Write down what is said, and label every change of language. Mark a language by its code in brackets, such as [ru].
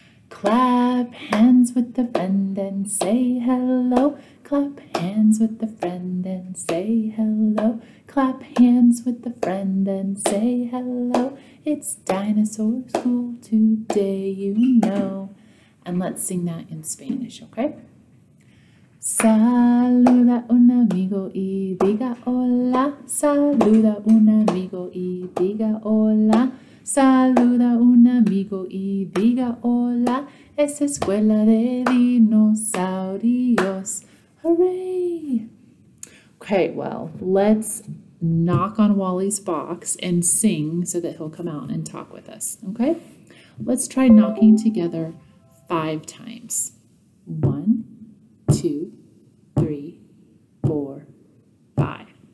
[en] Clap hands with the friend and say hello. Clap hands with the friend and say hello. Clap hands with the friend and say hello. It's dinosaur school today, you know. And let's sing that in Spanish, okay? [es] Saluda un amigo y diga hola. Saluda un amigo y diga hola. Saluda un amigo y diga hola. Es escuela de dinosaurios. [en] Hooray! Okay, well, let's knock on Wally's box and sing so that he'll come out and talk with us, okay? Let's try knocking together five times. One, two, three, four, five.